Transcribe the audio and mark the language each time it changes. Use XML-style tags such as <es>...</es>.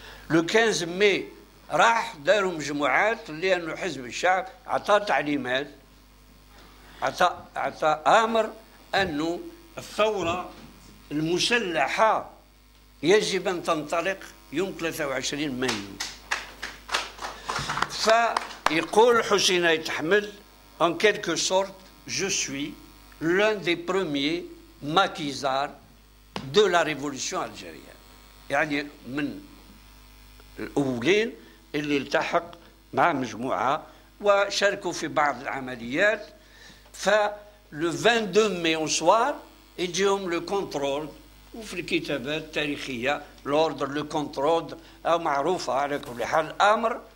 <ar>لو 15 ماي راح داروا مجموعات، لأن حزب الشعب عطى تعليمات، عطى أمر أنه الثورة المسلحة يجب أن تنطلق يوم 23 مايو. فيقول</ar> <fr>حسين أيت أحمد en quelque sorte je suis l'un des premiers maquisards de la révolution algérienne.</fr> <ar>يعني من الأولين اللي التحق مع مجموعة وشاركوا في بعض العمليات. ف لو 22 ماي اون سوار يجيهم لو كونترول، وفي الكتابات التاريخية لوردر لو كونترول معروفة. على كل حال الأمر</ar>